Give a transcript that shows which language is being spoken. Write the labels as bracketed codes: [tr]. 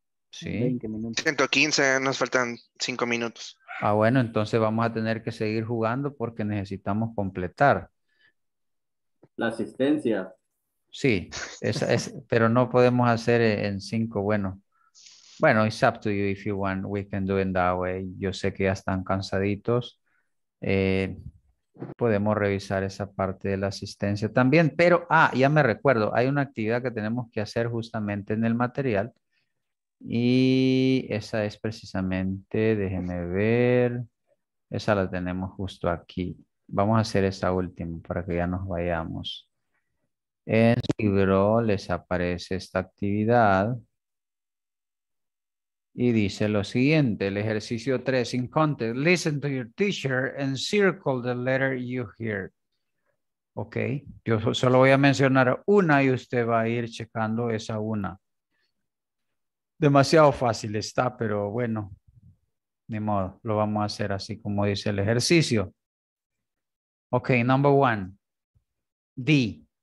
[es] 115, nos faltan 5 minutos. Ah, bueno, entonces vamos a tener que seguir jugando porque necesitamos completar. La asistencia. Sí, es, pero no podemos hacer en 5, bueno. [en] Bueno, it's up to you if you want, we can do it that way. [es] Yo sé que ya están cansaditos. Podemos revisar esa parte de la asistencia también. Pero, ah, ya me recuerdo, hay una actividad que tenemos que hacer justamente en el material. Y esa es precisamente, déjenme ver, esa la tenemos justo aquí. Vamos a hacer esa última para que ya nos vayamos. En su libro les aparece esta actividad. Y dice lo siguiente, el ejercicio 3 [en] in context. Listen to your teacher and circle the letter you hear. [es] Ok, yo solo voy a mencionar una y usted va a ir checando esa una. Demasiado fácil está, pero bueno, ni modo, lo vamos a hacer así como dice el ejercicio. [en] Ok, number one, D.